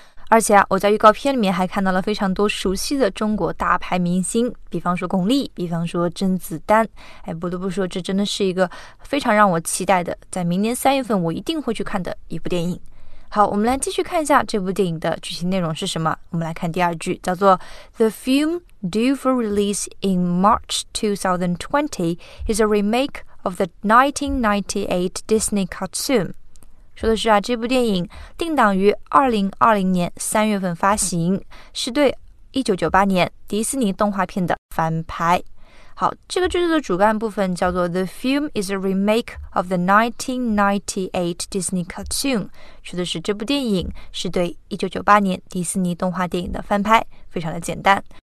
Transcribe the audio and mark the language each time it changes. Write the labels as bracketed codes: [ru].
[zh] 而且啊，我在预告片里面还看到了非常多熟悉的中国大牌明星，比方说巩俐，比方说甄子丹。哎，不得不说，这真的是一个非常让我期待的，在明年3月份我一定会去看的一部电影。好，我们来继续看一下这部电影的剧情内容是什么。我们来看第二句，叫做 [en] The film due for release in March 2020 is a remake of the 1998 Disney cartoon。 [zh] 说的是啊，这部电影定档于2020年3月份发行，是对1998年迪士尼动画片的翻拍。好，这个句子的主干部分叫做 [en] The film is a remake of the 1998 Disney cartoon， [zh] 说的是这部电影是对1998年迪士尼动画电影的翻拍，非常的简单。